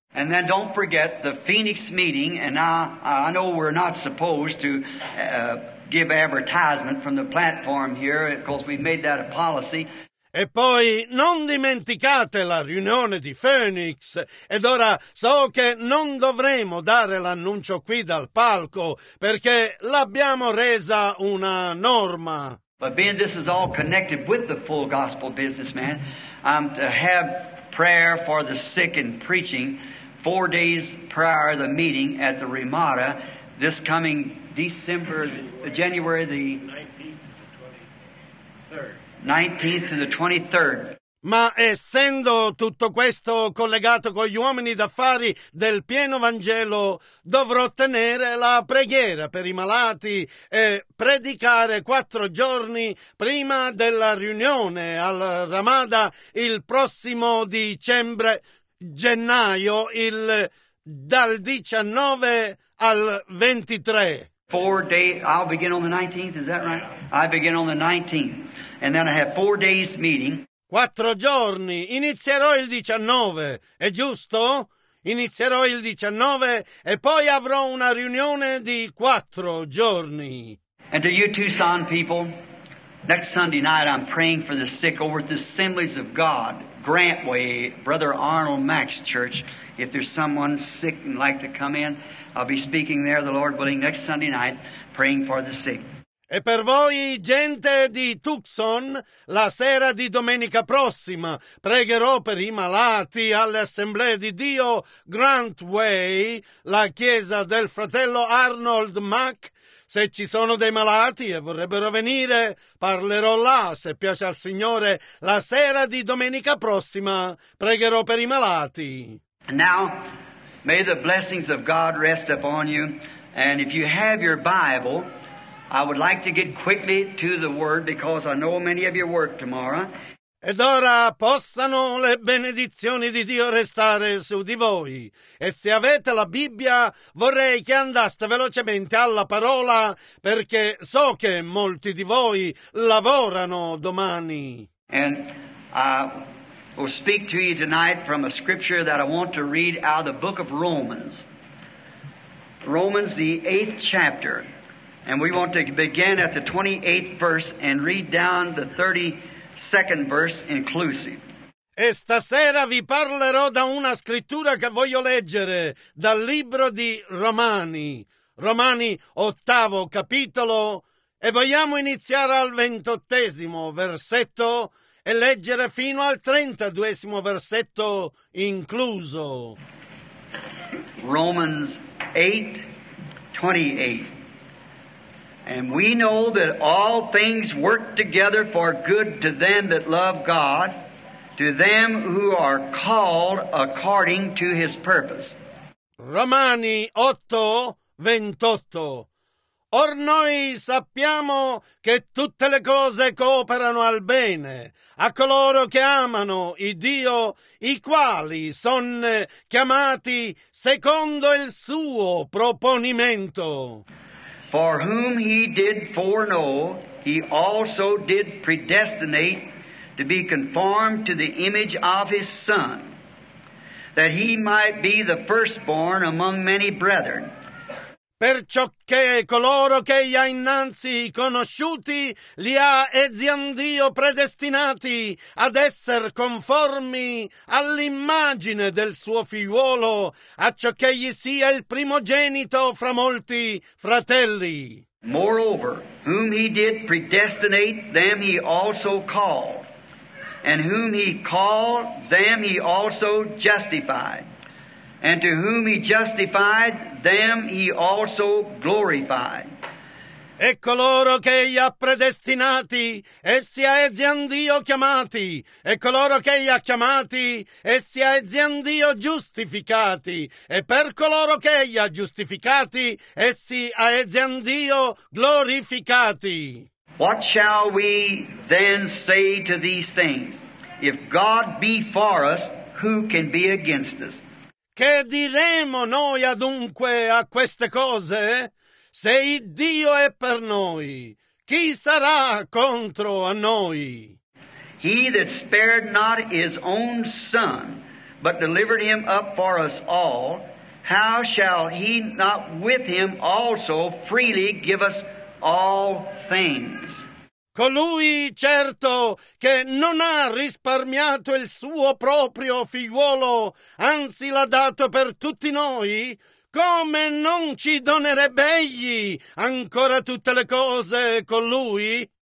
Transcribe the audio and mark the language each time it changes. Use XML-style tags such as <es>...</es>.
<en>And then don't forget the Phoenix meeting, and I know we're not supposed to give advertisement from the platform here, because we've made that a policy.</en> <it>E poi non dimenticate la riunione di Phoenix. Ed ora so che non dovremo dare l'annuncio qui dal palco perché l'abbiamo resa una norma.</it> <en>But being this is all connected with the full gospel businessman, I'm to have prayer for the sick and preaching 4 days prior to the meeting at the Ramada this coming December, January the 19th to the 23rd.</en> <it>Ma essendo tutto questo collegato con gli uomini d'affari del pieno Vangelo, dovrò tenere la preghiera per i malati e predicare 4 giorni prima della riunione al Ramada il prossimo dicembre, gennaio, dal 19 al 23.</it> <en>4 days, I'll begin on the 19th, is that right? I begin on the 19th. And then I have 4 days meeting.</en> <it>Quattro giorni. Inizierò il 19, è giusto? Inizierò il 19 e poi avrò una riunione di quattro giorni.</it> <en>And to you Tucson people, next Sunday night I'm praying for the sick over at the Assemblies of God, Grantway, Brother Arnold Max Church. If there's someone sick and like to come in, I'll be speaking there, the Lord willing, next Sunday night, praying for the sick.</en> <it>E per voi, gente di Tucson, la sera di domenica prossima pregherò per i malati alle Assemblee di Dio Grantway, la chiesa del fratello Arnold Mack. Se ci sono dei malati e vorrebbero venire, parlerò là, se piace al Signore, la sera di domenica prossima pregherò per i malati.</it> <en>And now, may the blessings of God rest upon you, and if you have your Bible, I would like to get quickly to the Word because I know many of you work tomorrow.</en> <it>Ed ora possano le benedizioni di Dio restare su di voi. E se avete la Bibbia, vorrei che andaste velocemente alla parola perché so che molti di voi lavorano domani.</it> <en>And I will speak to you tonight from a scripture that I want to read out of the book of Romans. Romans, the 8th chapter. And we want to begin at the 28th verse and read down the 32nd verse inclusive.</en> <it>E stasera vi parlerò da una scrittura che voglio leggere dal libro di Romani. Romani, 8° capitolo. E vogliamo iniziare al 28° versetto e leggere fino al 32° versetto incluso.</it> <en>Romans 8, 28. And we know that all things work together for good to them that love God, to them who are called according to His purpose.</en> <it>Romani 8, 28. Or noi sappiamo che tutte le cose cooperano al bene a coloro che amano il Dio, i quali son chiamati secondo il suo proponimento.</it> <en>For whom he did foreknow, he also did predestinate to be conformed to the image of his Son, that he might be the firstborn among many brethren.</en> <it>Perciò che coloro che gli ha innanzi conosciuti, li ha ezion Dio predestinati ad essere conformi all'immagine del suo figliuolo, a ciò che gli sia il primogenito fra molti fratelli.</it> <en>Moreover, whom he did predestinate, them he also called. And whom he called, them he also justified. And to whom he justified, them he also glorified.</en> <it>E coloro che gli ha predestinati, essi a ezion Dio chiamati. E coloro che gli ha chiamati, essi a ezion Dio giustificati. E per coloro che gli ha giustificati, essi a ezion Dio glorificati.</it> <en>What shall we then say to these things? If God be for us, who can be against us?</en> <it>Che diremo noi adunque a queste cose? Se il Dio è per noi, chi sarà contro a noi?</it> <en>He that spared not his own son, but delivered him up for us all, how shall he not with him also freely give us all things?</en> <it>Colui, certo, che non ha risparmiato il suo proprio figliuolo, anzi l'ha dato per tutti noi, come non ci donerebbe egli ancora tutte le cose con lui?</it>